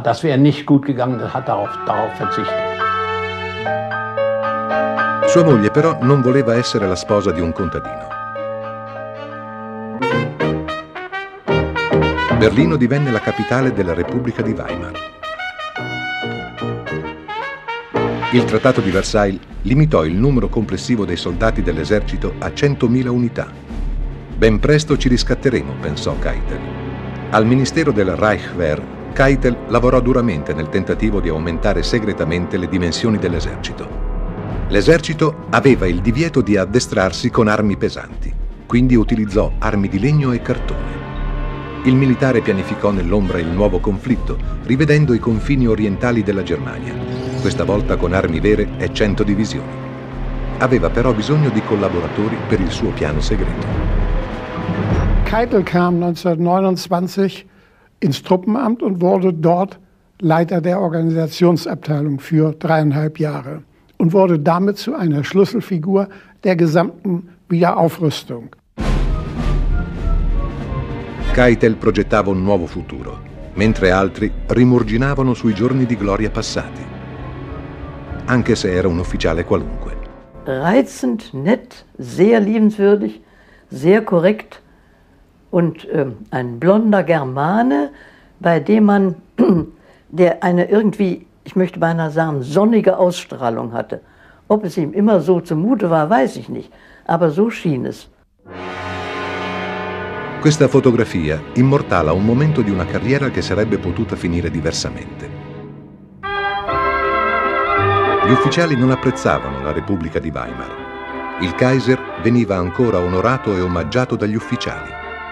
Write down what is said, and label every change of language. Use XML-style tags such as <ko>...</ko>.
<de>Das wäre nicht gut gegangen, das hat darauf verzichtet.</de> <it>Sua moglie però non voleva essere la sposa di un contadino. Berlino divenne la capitale della Repubblica di Weimar. Il Trattato di Versailles limitò il numero complessivo dei soldati dell'esercito a 100.000 unità. Ben presto ci riscatteremo, pensò Keitel. Al ministero del Reichswehr, Keitel lavorò duramente nel tentativo di aumentare segretamente le dimensioni dell'esercito. L'esercito aveva il divieto di addestrarsi con armi pesanti, quindi utilizzò armi di legno e cartone. Il militare pianificò nell'ombra il nuovo conflitto, rivedendo i confini orientali della Germania, questa volta con armi vere e 100 divisioni. Aveva però bisogno di collaboratori per il suo piano segreto.</it> <de>Keitel kam 1929 ins Truppenamt und wurde dort Leiter der Organisationsabteilung für 3,5 Jahre und wurde damit zu einer Schlüsselfigur der gesamten Wiederaufrüstung.</de> <it>Keitel progettava un nuovo futuro, mentre altri rimurginavano sui giorni di gloria passati, anche se era un ufficiale qualunque.</it> <de>Reizend, nett, sehr liebenswürdig, sehr korrekt. Und ein blonder Germane, bei dem man, der eine irgendwie, ich möchte beinahe sagen, sonnige Ausstrahlung hatte. Ob es ihm immer so zumute war, weiß ich nicht, aber so schien es.</de> <it>Questa fotografia immortala un momento di una carriera che sarebbe potuta finire diversamente. Gli ufficiali non apprezzavano la Repubblica di Weimar. Il Kaiser veniva ancora onorato e omaggiato dagli ufficiali.</it>